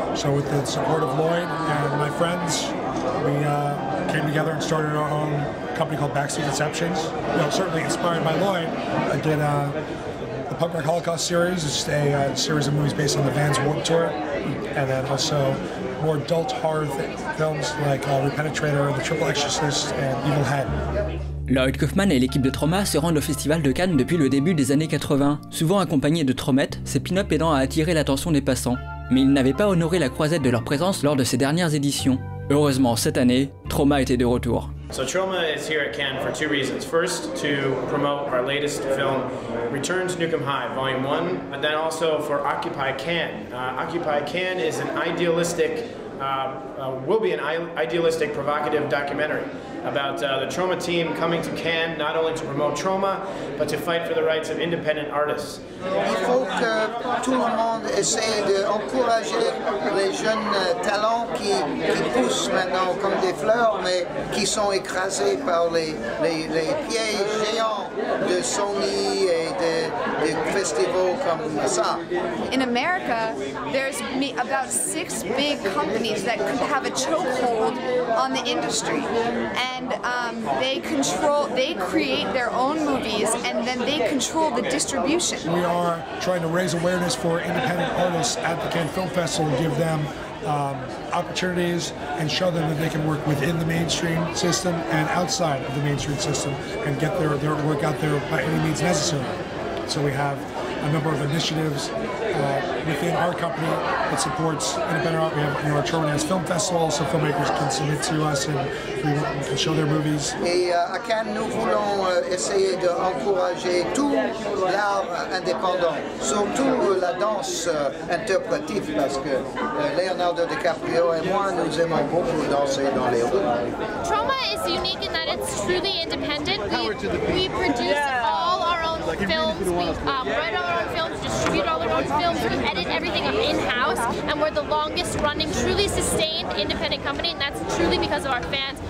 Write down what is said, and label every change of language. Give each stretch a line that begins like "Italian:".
English: So with the support of Lloyd and my friends, we came together and started our own company called Backseat Deceptions. You know, certainly inspired by Lloyd, I did a The Punk Rock Holocaust series, it's a series of movies based on the Vans Warped Tour, and then also more adult horror films like The Penetrator, The Triple Exorcist, and Evil Head.
French: Lloyd Kaufman et l'équipe de Trauma se rendent au Festival de Cannes depuis le début des années 80, souvent accompagnés de Traumettes, ces pin-ups aidant à attirer l'attention des passants. Mais ils n'avaient pas honoré la croisette de leur présence lors de ces dernières éditions. Heureusement, cette année, Trauma était de retour.
English: So Trauma is here at Cannes for two reasons. First, to promote our latest film, Return to Nukem High, Volume 1, and then also for Occupy Cannes. Occupy Cannes is an idealistic, will be an idealistic, provocative documentary about the Trauma team coming to Cannes, not only to promote Trauma, but to fight for the rights of independent artists.
French: Il faut que tout le monde essaie d'encourager les jeunes talents qui poussent maintenant comme des fleurs, mais qui sont écrasés par les pièges géants de Sony et des festivals comme ça.
English: In America, there's about six big companies that could have a chokehold on the industry. And they create their own movies, and then they control the distribution. We are trying to raise awareness for independent artists at the Cannes Film Festival and give them opportunities and show them that they can work within the mainstream system and outside of the mainstream system and get their work out there by any means necessary. So we have a number of initiatives within our company that supports independent art. We have, you know, our Trauma Film Festival, so filmmakers can submit to us and we can show their movies.
French: Et à Cannes, nous voulons essayer d'encourager tout l'art indépendant, surtout la danse interprétive, parce que Leonardo DiCaprio et moi, nous aimons beaucoup danser dans les rues.
English: Trauma is unique in that it's truly independent. We produce all our own films. Write our own films, distribute all our own films, we edit everything in-house, and we're the longest running, truly sustained independent company, and that's truly because of our fans.